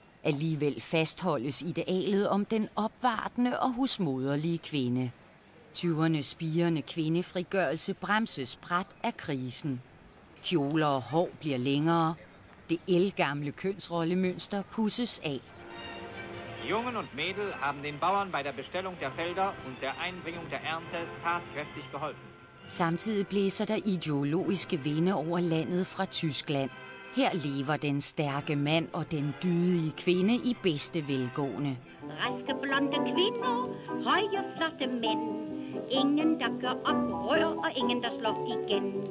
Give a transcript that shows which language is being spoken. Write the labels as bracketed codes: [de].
[da] Alligevel fastholdes idealet om den opvartende og husmoderlige kvinde. 20'ernes spirende kvindefrigørelse bremses brat af krisen. Kjoler og hår bliver længere. Det ældgamle kønsrollemønster pusses af. [de] Jungen und Mädel haben den Bauern bei der Bestellung der Felder und der Einbringung der Ernte tatkräftig geholfen. [da] Samtidig blæser der ideologiske vinde over landet fra Tyskland. Her lever den stærke mand og den dydige kvinde i bedste velgående. Raske blonde kvinder, høje flotte mænd. Ingen der gør oprør og ingen der slår igen.